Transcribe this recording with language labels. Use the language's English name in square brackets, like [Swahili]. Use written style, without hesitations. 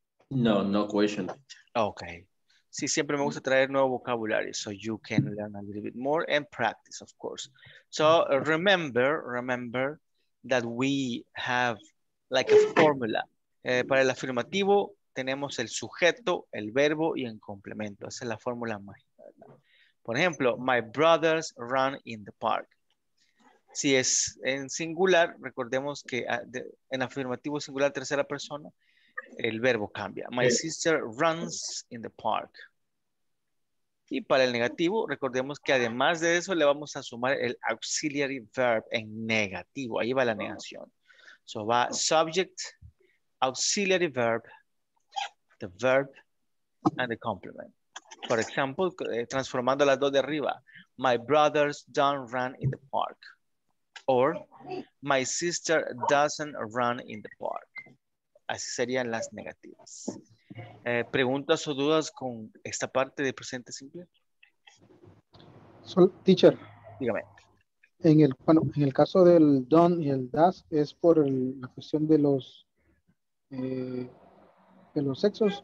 [English] No, no question. [Spanish] Okay. Sí, siempre me gusta traer nuevo vocabulario [English] so you can learn a little bit more and practice, of course. So remember that we have like a formula. [Spanish] Para el afirmativo tenemos el sujeto, el verbo y el complemento. Esa es la fórmula mágica. Por ejemplo, [English] my brothers run in the park. [Spanish] Si es en singular, recordemos que en afirmativo singular tercera persona, el verbo cambia. [English] My sister runs in the park. [Spanish] Y para el negativo, recordemos que además de eso, le vamos a sumar el auxiliary verb en negativo. Ahí va la negación. [English] So va subject, auxiliary verb, the verb, and the complement. [Spanish] Por ejemplo, transformando las dos de arriba. [English] My brothers don't run in the park. Or, my sister doesn't run in the park. [Spanish] Así serían las negativas. ¿Preguntas o dudas con esta parte de presente simple? [English] So, teacher. [Spanish] Dígame. En el caso del don y el das, ¿es por la cuestión de los sexos?